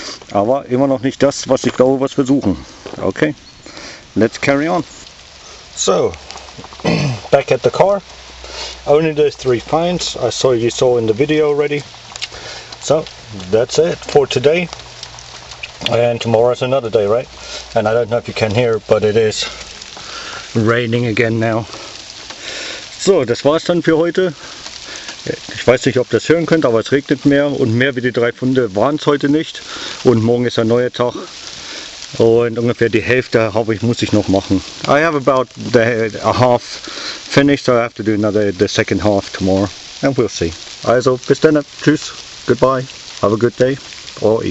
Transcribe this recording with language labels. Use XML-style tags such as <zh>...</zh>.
<de>Aber immer noch nicht das, was ich glaube, was wir suchen.</de> <en>Okay, let's carry on. So, back at the car, only the 3 finds, I saw you saw in the video already. So, that's it for today, and tomorrow is another day, right? And I don't know if you can hear, but it is raining again now.</en> <de>So, das war's dann für heute. Ich weiß nicht, ob ihr das hören könnt, aber es regnet mehr und mehr wie die 3 Funde waren es heute nicht. Und morgen ist ein neuer Tag. Und ungefähr die Hälfte habe ich, muss ich noch machen.</de> <en>I have about a half finished, so I have to do the second half tomorrow. And we'll see.</en> <de>Also, bis dann. Tschüss.</de> <en>Goodbye. Have a good day. Or evening.</en>